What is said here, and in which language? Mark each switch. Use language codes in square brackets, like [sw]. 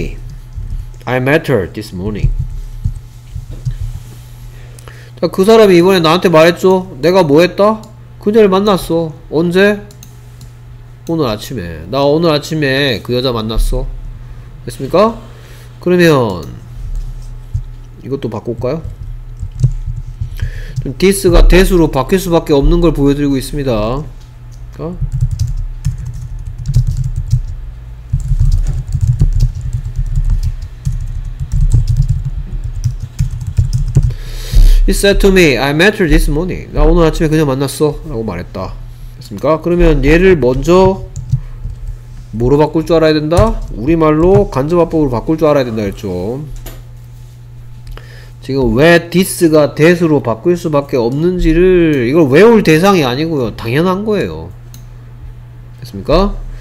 [en] 'He said to me, "I met her this morning." [ko] 자, 그 사람이 이번에 나한테 말했죠. 내가 뭐 했다? 그녀를 만났어. 언제? 오늘 아침에. 나 오늘 아침에 그 여자 만났어. 됐습니까? 그러면 이것도 바꿀까요? 좀 this가 that으로 바뀔 수밖에 없는 걸 보여드리고 있습니다. 어? [en] He said to me, I met her this morning. [ko] 나 오늘 아침에 그녀 만났어 라고 말했다. 됐습니까? 그러면 얘를 먼저 뭐로 바꿀 줄 알아야 된다? 우리말로 간접화법으로 바꿀 줄 알아야 된다 했죠. 지금 왜 this가 that으로 바꿀 수밖에 없는지를 이걸 외울 대상이 아니고요. 당연한 거예요. 됐습니까?